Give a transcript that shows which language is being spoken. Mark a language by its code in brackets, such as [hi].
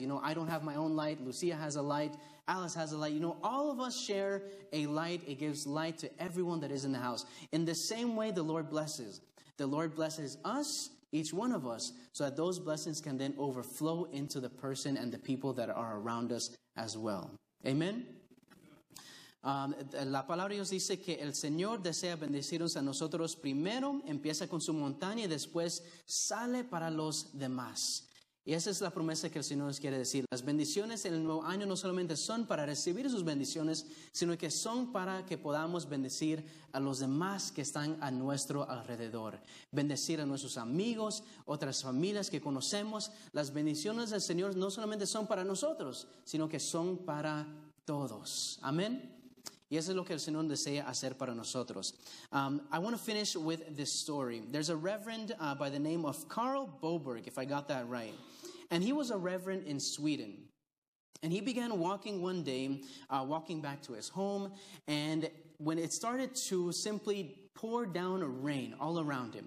[en] You know, I don't have my own light. Lucia has a light. Alice has a light. You know, all of us share a light. It gives light to everyone that is in the house. In the same way, the Lord blesses us, each one of us, so that those blessings can then overflow into the person and the people that are around us as well. Amen. [es] La palabra de Dios dice que el Señor desea bendecirnos a nosotros primero, empieza con su montaña y después sale para los demás. Y esa es la promesa que el Señor nos quiere decir. Las bendiciones en el nuevo año no solamente son para recibir sus bendiciones, sino que son para que podamos bendecir a los demás que están a nuestro alrededor. Bendecir a nuestros amigos, otras familias que conocemos. Las bendiciones del Señor no solamente son para nosotros, sino que son para todos. Amén. Y eso es lo que el Señor desea hacer para nosotros. [en] I want to finish with this story. There's a reverend by the name of Carl Boberg, if I got that right. And he was a reverend in Sweden. And he began walking one day, walking back to his home. And when it started to simply pour down rain all around him.